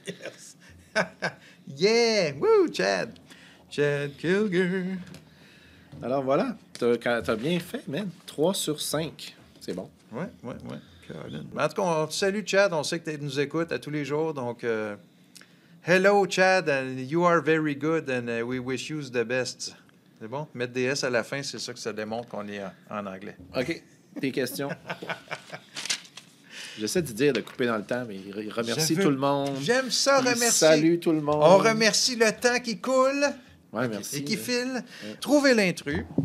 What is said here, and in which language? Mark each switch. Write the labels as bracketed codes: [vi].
[en] Yes! Yeah! Woo! Chad! Chad Kilger! [fr] Alors voilà, t'as bien fait, man. 3 sur 5. C'est bon. Ouais, ouais, ouais. God. En tout cas, on te salue, Chad. On sait que tu nous écoutes à tous les jours, donc... [en] Hello, Chad, and you are very good, and we wish you the best. [fr] C'est bon? Mettre des S à la fin, c'est ça que ça démontre qu'on est en anglais. OK. Tes questions? J'essaie de dire de couper dans le temps, mais remercie tout le monde. J'aime ça, remercier. Salut tout le monde. On remercie le temps qui coule. Ouais, merci. Et qui file. Ouais. Trouvez l'intrus.